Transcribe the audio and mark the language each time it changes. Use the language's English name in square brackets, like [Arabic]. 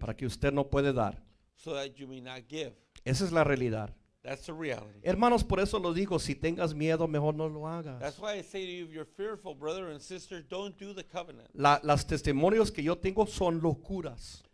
[Spanish] Para que usted no puede dar. [English] So that you may not give. [Spanish] Esa es la realidad. [English] That's the reality. [Spanish] Hermanos, por eso lo digo, si tengas miedo, mejor no lo hagas. [English] That's why I say to you, if you're fearful, brother and sister, don't do the covenant. [Spanish] Las testimonios que yo tengo son locuras.